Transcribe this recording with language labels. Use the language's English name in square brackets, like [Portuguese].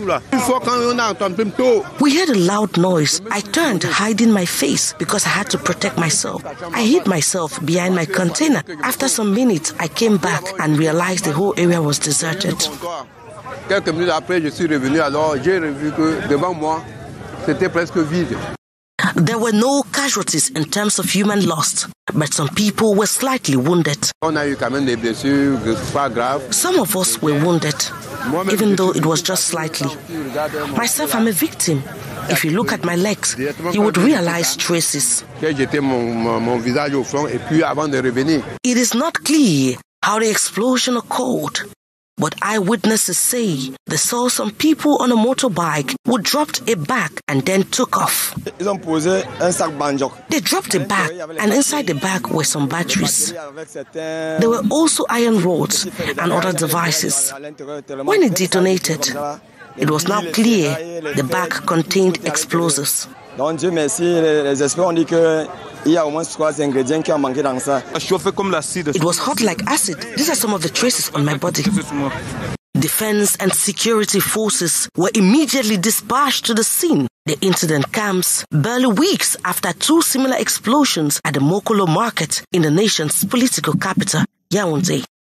[English] We heard a loud noise. I turned, hiding my face because I had to protect myself. I hid myself behind my container. After some minutes, I came back and realized the whole area was deserted. [French] Quelques minutes après, je suis revenu. Alors, j'ai vu que devant moi, c'était presque vide. [English] There were no casualties in terms of human loss, but some people were slightly wounded. [French] On a eu quand même des blessures, pas grave. [English] Some of us were wounded, even though it was just slightly. Myself, I'm a victim. If you look at my legs, you would realize traces. [French] Mon visage au front et puis avant de revenir. [English] It is not clear how the explosion occurred, but eyewitnesses say they saw some people on a motorbike who dropped a bag and then took off. [French] Ils ont posé un sac banjok. [English] They dropped a bag, and inside the bag were some batteries. There were also iron rods and other devices. When it detonated, it was now clear the bag contained explosives. [French] Donc Dieu merci, les experts ont dit que il y a au moins trois ingrédients qui ont manqué dans ça. [English] It was hot like acid. These are some of the traces on my body. Defense and security forces were immediately dispatched to the scene. The incident comes barely weeks after two similar explosions at the Mokolo Market in the nation's political capital, Yaoundé.